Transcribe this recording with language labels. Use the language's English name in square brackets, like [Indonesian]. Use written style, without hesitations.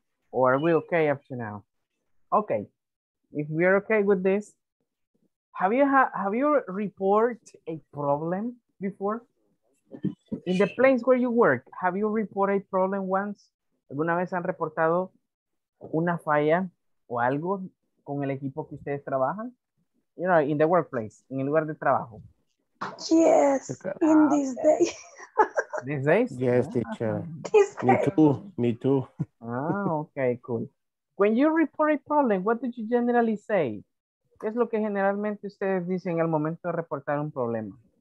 [English] Or are we okay up to now? Okay, if we are okay with this, have you report a problem before? In the place where you work, have you reported a problem once? [Spanish] ¿Alguna vez han reportado una falla o algo con el equipo que ustedes trabajan? [English] You know, in the workplace, [Spanish] en el lugar de trabajo. [English] Yes, in this day. These days? Yes, teacher. Me too. Ah, okay, cool. When you report a problem, what do you generally say? [Spanish] ¿Qué es lo que generalmente ustedes dicen al momento de reportar un problema?